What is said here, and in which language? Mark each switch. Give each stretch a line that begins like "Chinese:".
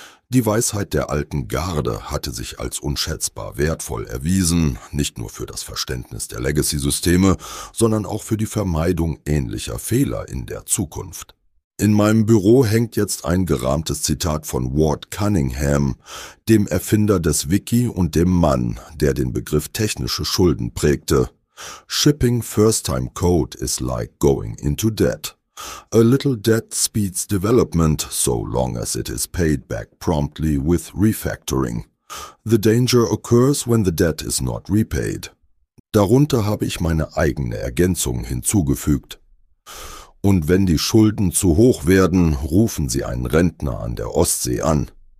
German: Die Weisheit der alten Garde hatte sich als unschätzbar wertvoll erwiesen, nicht nur für das Verständnis der Legacy-Systeme, sondern auch für die Vermeidung ähnlicher Fehler in der Zukunft. In meinem Büro hängt jetzt ein gerahmtes Zitat von Ward Cunningham, dem Erfinder des Wiki und dem Mann, der den Begriff technische Schulden prägte.
English: Shipping first-time code is like going into debt. A little debt speeds development, so long as it is paid back promptly with refactoring. The danger occurs when the debt is not repaid.
German: Darunter habe ich meine eigene Ergänzung hinzugefügt. Und wenn die Schulden zu hoch werden, rufen Sie einen Rentner an der Ostsee an.